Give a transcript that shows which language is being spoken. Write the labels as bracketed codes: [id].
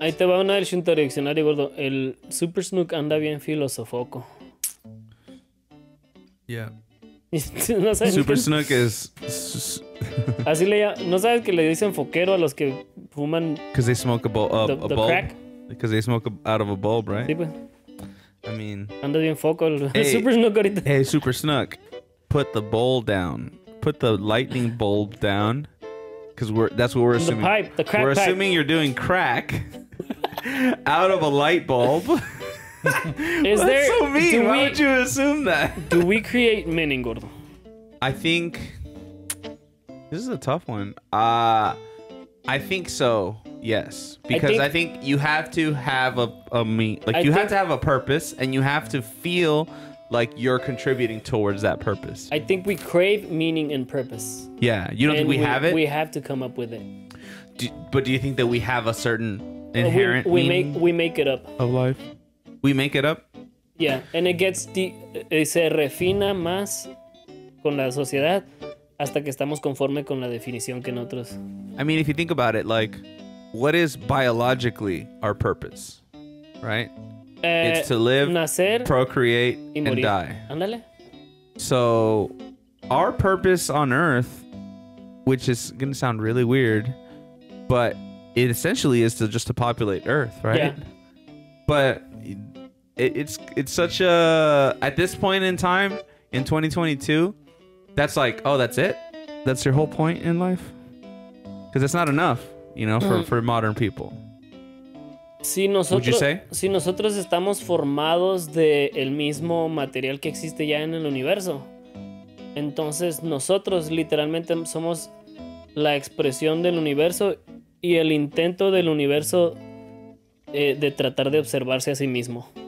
[es] Ahí te va una del chunto diccionario, gordo. El Super Snook anda bien filosofoco. [en] Yeah. [es] No sabes. [en] Super Snook is... [es] Así le llaman. ¿No sabes que le dicen foquero a los que fuman? [en] Because they smoke a bulb. Because they smoke out of a bulb, right? [es] Sí, pues. [en] I mean... [es] Anda bien foco el Super Snook ahorita. [en] Hey, Super Snook, put the bowl down. Put the lightning bulb down. Because that's what we're assuming. The pipe, the crack we're pipe. We're assuming you're doing crack out of a light bulb. Is that's so mean. Why would you assume that? Do we create meaning, gordo? I think... This is a tough one. I think so, yes. Because I think you have to have a mean... Like, you have to have a purpose, and you have to feel like you're contributing towards that purpose. I think we crave meaning and purpose. Yeah, you don't think we have it? We have to come up with it. But do you think that we have a certain inherent meaning? We make it up. Of life? We make it up? Yeah, and it gets... [es] se refina más con la sociedad hasta que estamos conforme con la definición que nosotros... [en] I mean, if you think about it, like, what is biologically our purpose, right? It's to live, [es] nacer, [en] procreate, and die. [es] Andale. [en] So our purpose on Earth, which is going to sound really weird, but it essentially is to just to populate Earth, right? Yeah. But it's such a... At this point in time, in 2022, that's like, oh, that's it? That's your whole point in life? Because it's not enough, you know, for modern people. [es] Si nosotros, si nosotros estamos formados de el mismo material que existe ya en el universo, entonces nosotros literalmente somos la expresión del universo y el intento del universo de tratar de observarse a sí mismo.